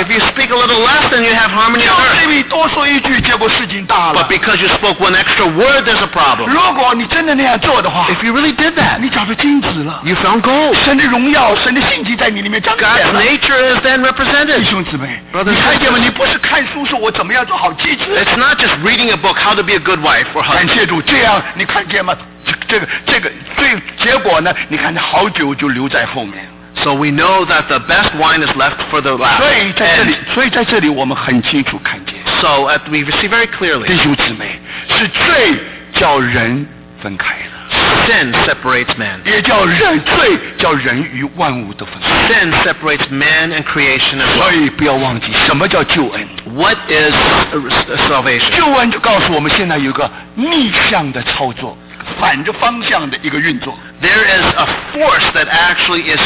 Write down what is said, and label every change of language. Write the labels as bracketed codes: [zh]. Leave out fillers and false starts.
[en] If you speak a little less, then you have harmony on earth. [zh] 就是因为多说一句，结果事情大了。 [en] But because you spoke one extra word, there's a problem. [zh] 如果你真的那样做的话， [en] If you really did that, [zh] 你找到金子了。 [en] You found gold. [zh] 神的荣耀，神的性情在你里面彰显了。 [en] God's nature is then represented. [zh] 弟兄姊妹，你看见吗？你不是看书说我怎么样做好妻子。 [en] It's not just reading a book how to be a good wife or husband. [zh] 感谢主，这样你看见吗？这个结果呢？你看，好酒就留在后面。 [en] So we know that the best wine is left for the last. [zh] 所以在这里我们很清楚看见。 [en] So we see very clearly. [zh] 弟兄姊妹，是罪叫人分开了。 [en] Sin separates man. [zh] 也叫人罪叫人与万物都分开。 [en] Sin separates man and creation as well. [zh] 所以不要忘记什么叫救恩。 [en] What is salvation? [zh] 救恩就告诉我们现在有个逆向的操作，反着方向的一个运作。 [en] There is a force that actually is